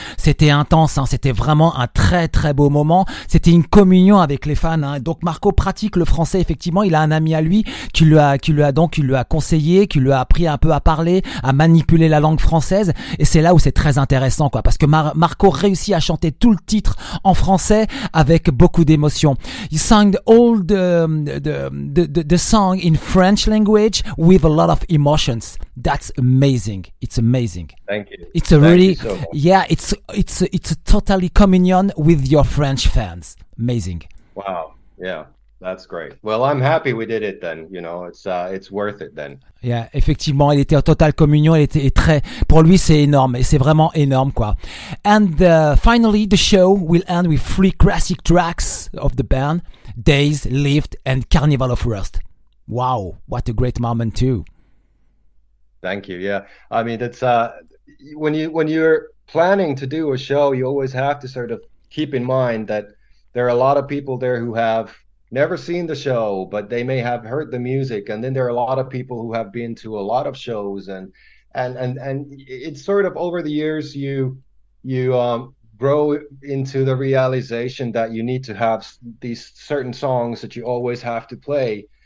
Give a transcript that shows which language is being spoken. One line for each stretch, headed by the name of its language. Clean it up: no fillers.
French: C'était intense, hein, c'était vraiment un très très beau moment. C'était une communion avec les fans, hein. Donc Marco pratique le français, effectivement, il a un ami à lui qui lui a conseillé, qui lui a appris un peu à parler, à manipuler la langue française. Et c'est là où c'est très intéressant, quoi, parce que Marco réussit à chanter tout le titre en français avec beaucoup d'émotion.
English: He sang all the song in French language with a lot of emotions. That's amazing. It's amazing. Thank you. It's a really, yeah, it's a totally communion with your French fans. Amazing. Wow. Yeah. That's great. Well, I'm happy we did it then, you know. It's worth it then.
French: Yeah, effectivement, il était en totale communion, il était très, pour lui c'est énorme et c'est vraiment énorme, quoi.
English: And finally the show will end with three classic tracks of the band, Days, Lift and Carnival of Rust. Wow, what a great moment too. Thank you. Yeah. I mean, it's when you're planning to do a show, you always have to sort of keep in mind that there are a lot of people there who have never seen the show, but they may have heard the music, and then there are a lot of people who have been to a lot of shows, and it's sort of over the years you grow into the realization that you need to have these certain songs that you always have to play.